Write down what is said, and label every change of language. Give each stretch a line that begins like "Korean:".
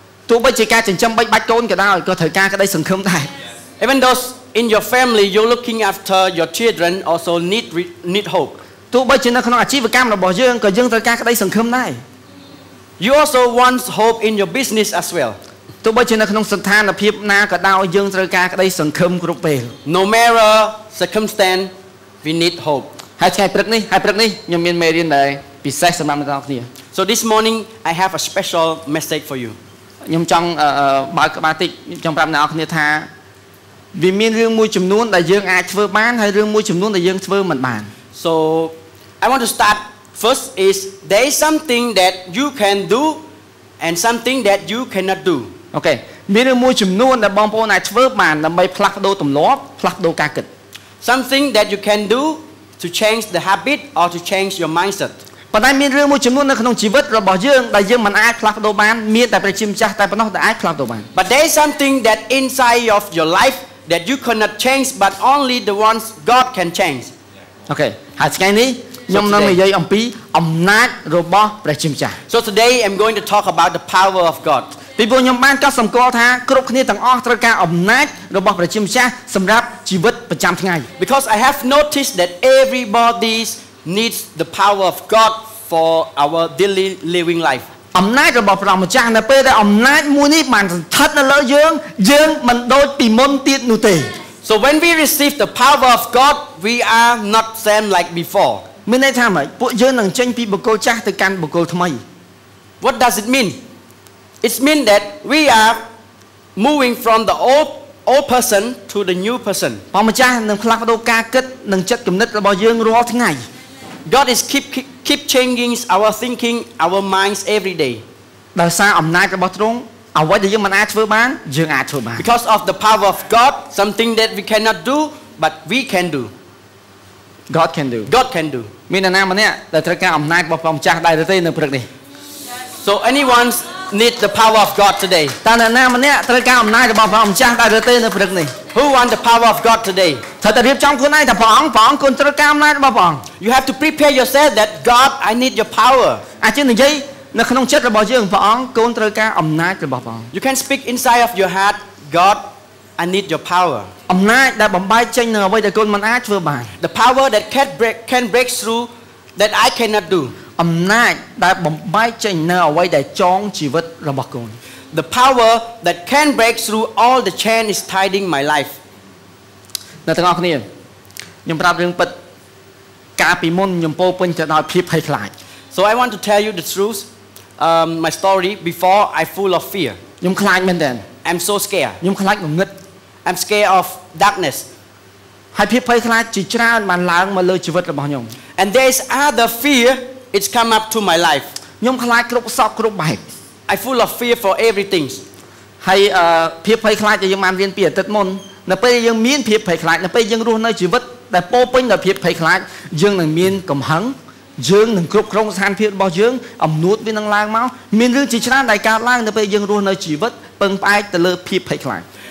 Khmer: ទោះបីជាការចិញ្ចឹមបីបាច់កូនក៏ដោយក៏ត្រូវការក្តីសង្ឃឹមដែរ
English: Even though in your family you're looking after your children also need hope.
Khmer: ទោះបីជានៅក្នុងអាជីវកម្មរបស់យើងក៏យើងត្រូវការក្តីសង្ឃឹមដែរ
English: You also want hope in your business as well.
Khmer: ទោះបីជានៅក្នុងស្ថានភាពណាក៏ដោយយើងត្រូវការក្តីសង្ឃឹមគ្រប់ពេល
English: No matter circumstance we need hope
Khmer: ហើយថ្ងៃព្រឹកនេះហើយព្រឹកនេះខ្ញុំមានមេរៀនដែរពិសេសសម្រាប់អ្នកទាំងគ្នា
English: So this morning I have a special message for you
Khmer: ខ្ញុំចង់បើកក្បាលតិចចង់ប្រាប់អ្នកទាំងគ្នាថាវាមានរឿងមួយចំនួនដែលយើងអាចធ្វើបានហើយរឿងមួយចំនួនដែលយើងធ្វើមិនបាន
English: So I want to start first is there is something that you can do and something that you cannot do
Khmer: Okay មានមួយចំនួនដែលបងប្អូនអាចធ្វើបានដើម្បីផ្លាស់ប្ដូរទម្លាប់ផ្លាស់ប្ដូរការគិត
English: Something that you can do to change the habit or to change your mindset
Khmer: ប៉ុន្តែមានរឿងមួយចំនួននៅក្នុងជីវិតរបស់យើងដែលយើងមិនអាចផ្លាស់ប្ដូរបានមានតែព្រះជាម្ចាស់តែប៉ុណ្ណោះដែលអាចផ្លាស់ប្ដូរបាន
English: But there is something that inside of your life that you cannot change but only the ones God can change
Khmer: Okay ហើយថ្ងៃនេះខ្ញុំនឹងនិយាយអំពីអំណាចរបស់ព្រះជាម្ចាស់
English: So today I'm going to talk about the power of God
Khmer: ពីព្រោះខ្ញុំបានកត់សម្គាល់ថាគ្រប់គ្នាទាំងអស់ត្រូវការអំណាចរបស់ព្រះជាម្ចាស់សម្រាប់ជីវិតប្រចាំថ្ងៃ
English: Because I have noticed that everybody needs the power of God for our daily living life
Khmer: អំណាចរបស់ព្រះម្ចាស់នៅពេលដែលអំណាចមួយនេះបានស្ថិតនៅលើយើងយើងមិនដូចពីមុនទៀតនោះទេ
English: So when we receive the power of God we are not same like before
Khmer: មានន័យថាម៉េចពួកយើងនឹងចេញពីបុគ្គលចាស់ទៅកាន់បុគ្គលថ្មី
English: What does it meanIt means that we are moving from the old person to the new person.
Khmer: ព្រះម្ចាស់នឹងផ្លាស់ប្ដូរការគិតនិងចិត្តគំនិតរបស់យើងរាល់ថ្ងៃ.
English: God is keep changing our thinking, our minds every day.
Khmer: ដោយសារអំណាចរបស់ទ្រង់អ្វីដែលយើងមិនអាចធ្វើបានយើងអាចធ្វើបាន.
English: Because of the power of God, something that we cannot do but we can do. God can do.
Khmer: មានណាម្នាក់ដែលត្រូវការអំណាចរបស់ព្រះម្ចាស់ដែរទេនៅព្រឹកនេះ?
English: So anyone'sneed the power of God today
Khmer: តើអ្នកណាម្នាក់ត្រូវការអំណាចរបស់ព្រះម្ចាស់ដែរឬទេនៅព្រឹកនេះ
English: Who want the power of God today
Khmer: ត្រូវតែរៀបចំខ្លួនឯងថាព្រះអង្គគន់ត្រូវការអំណាចរបស់ព្រះអង្គ
English: You have to prepare yourself that God I need your power
Khmer: អាចនិយាយនៅក្នុងចិត្តរបស់យើងព្រះអង្គគន់ត្រូវការអំណាចរបស់ព្រះអង្គ
English: You can speak inside of your heart God I need your power
Khmer: អំណាចដែលបំបែកចេញនូវអ្វីដែលគន់មិនអាចធ្វើបាន
English: The power that can break through that I cannot do
Khmer: អំណាចដែលបំបែកចេញនៅអ្វីដែលចងជីវិតរបស់កូន
English: The power that can break through all the chains is tying my life
Khmer: នៅទាំងអស់គ្នាខ្ញុំប្រាប់រឿងពិតកាលពីមុនខ្ញុំពោពេញទៅដោយភាពភ័យខ្លាច
English: So I want to tell you the truth my story before I full of fear
Khmer: ខ្ញុំខ្លាចមែនតើ
English: I'm so scared
Khmer: ខ្ញុំខ្លាចងងឹត
English: I'm scared of darkness
Khmer: ហើយភាពភ័យខ្លាចជាច្រើនបានឡើងមកលើជីវិតរបស់ខ្ញុំ
English: And there is other fearIt's come up to my life.
Khmer: ខ្ញុំខ្លាចគ្រប់សពគ្រប់បែប
English: I full of fear for everything.
Khmer: ហើយភាពភ័យខ្លាចដែលយើងបានរៀនពីអតីតមុននៅពេលយើងមានភាពភ័យខ្លាចនៅពេលយើងរស់នៅជីវិតដែលពោពេញដោយភាពភ័យខ្លាចយើងនឹងមានកំហឹងយើងនឹងគ្រប់គ្រងស្ថានភាពរបស់យើងអំនួតវានឹងឡើងមកមានរឿងជាច្រើនដែលកើតឡើងនៅពេលយើងរស់នៅជីវិតពឹងផ្អែកទៅលើភាពភ័យខ្លាច